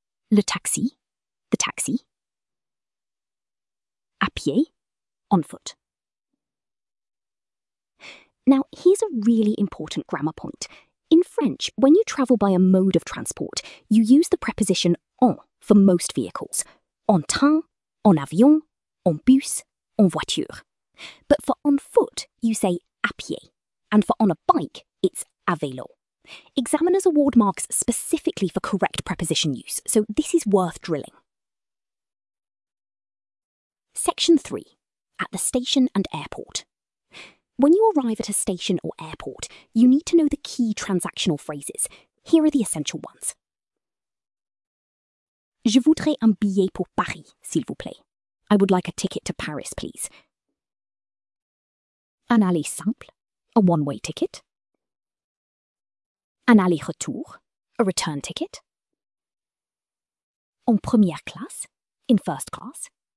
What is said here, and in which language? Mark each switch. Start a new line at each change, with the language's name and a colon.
French: Le taxi,
English: the taxi.
French: À pied,
English: on foot. Now, here's a really important grammar point. In French, when you travel by a mode of transport, you use the preposition en for most vehicles.
French: En train, en avion, en bus, en voiture.
English: But for on foot, you say à pied. And for on a bike, it's à vélo. Examiners award marks specifically for correct preposition use, so this is worth drilling. Section 3. At the station and airport. When you arrive at a station or airport, you need to know the key transactional phrases. Here are the essential ones.
French: Je voudrais un billet pour Paris, s'il vous plaît.
English: I would like a ticket to Paris, please.
French: Un aller simple,
English: a one-way ticket.
French: Un aller-retour,
English: a return ticket.
French: En première classe,
English: in first class.